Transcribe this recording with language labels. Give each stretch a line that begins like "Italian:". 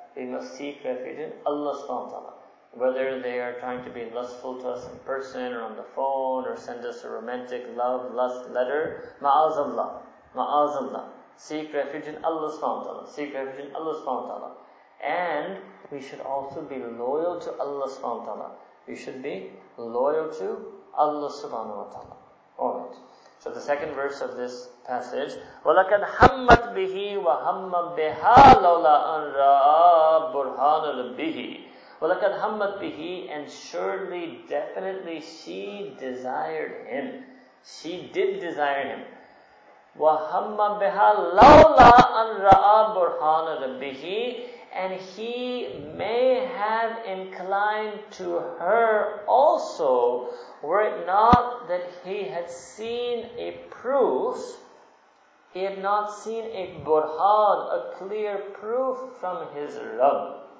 English: We must seek refuge in Allah subhanahu wa ta'ala. Whether they are trying to be lustful to us in person or on the phone or send us a romantic love, lust letter, ma'azallah, ma'azallah. Seek refuge in Allah subhanahu wa ta'ala. Seek refuge in Allah subhanahu wa ta'ala. And we should also be loyal to Allah subhanahu wa ta'ala. We should be loyal to Allah subhanahu wa ta'ala. Alright. So the second verse of this passage,
Arabic: وَلَكَدْ حَمَّتْ بِهِ وَهَمَّ بِهَا لَوْلَا أَنْ رَآ بُرْهَانُ رَبِّهِ. وَلَكَدْ حَمَّتْ بِهِ,
English: and surely, definitely, she desired him. She did desire him.
Arabic: وَهَمَّ بِهَا لَوْلَا أَنْ رَآ بُرْحَانَ رَبِّهِ,
English: and he may have inclined to her also, were it not that he had seen a proof, he had not seen a burhan, a clear proof from his Rabb.